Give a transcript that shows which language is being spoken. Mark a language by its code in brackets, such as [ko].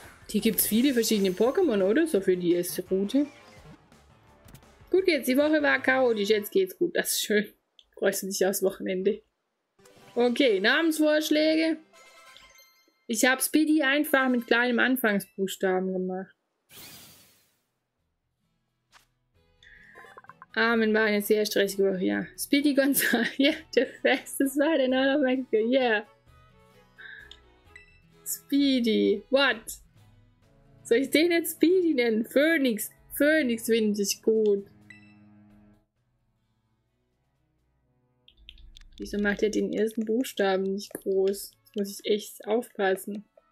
[de] Hier gibt es viele verschiedene Pokémon, oder? So für die erste Route. Gut geht's, die Woche war chaotisch, jetzt geht's gut. Das ist schön. Freust du dich aufs Wochenende? Okay, Namensvorschläge. Ich habe Speedy einfach mit kleinem Anfangsbuchstaben gemacht. Armin war eine sehr stressige Woche, ja. [en] Speedy Gonzales, yeah, the fastest fight in all of Mexico, yeah. Speedy, what? [de] Soll ich den jetzt Speedy nennen? Phoenix, Phoenix finde ich gut. Wieso macht er den ersten Buchstaben nicht groß? Das muss ich echt aufpassen.